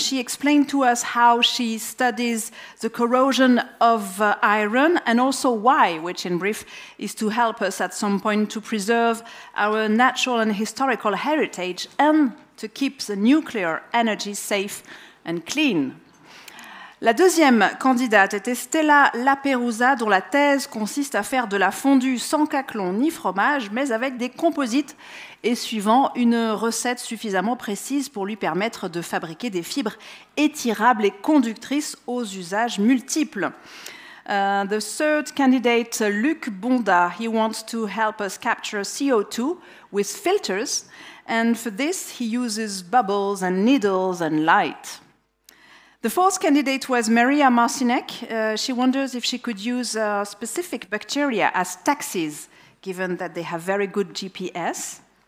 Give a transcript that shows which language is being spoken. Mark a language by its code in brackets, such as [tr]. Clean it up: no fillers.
[en] She explained to us how she studies the corrosion of iron and also why, which in brief is to help us at some point to preserve our natural and historical heritage and to keep the nuclear energy safe and clean. [fr] La deuxième candidate était Stella Lapérouza, dont la thèse consiste à faire de la fondue sans caquelon ni fromage, mais avec des composites et suivant une recette suffisamment précise pour lui permettre de fabriquer des fibres étirables et conductrices aux usages multiples. [en] The third candidate, Luc Bonda, he wants to help us capture CO2 with filters, and for this he uses bubbles and needles and light. The fourth candidate was Maria Marcinek. She wonders if she could use specific bacteria as taxis, given that they have very good GPS.